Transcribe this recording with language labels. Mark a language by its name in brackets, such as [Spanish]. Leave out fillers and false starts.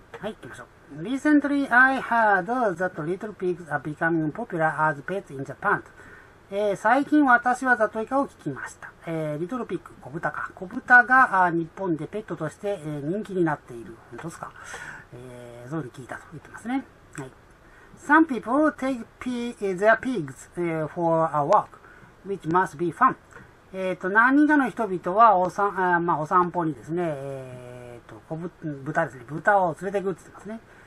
[Japanese] はい、行きましょう。 [English] Recently, I heard that little pigs are becoming popular as pets in Japan.、 [Japanese] 最近私はザトイカを聞きました。 [English] Little pig, [Japanese] 小豚か。小豚が日本でペットとして、人気になっている。本当ですか、そういうふうに聞いたと言ってますね。 [English] はい、Some people take their pigs、for a walk, which must be fun. [Japanese] 何人かの人々はまあ、お散歩にですね、豚ですね、豚を連れていくって言ってますね。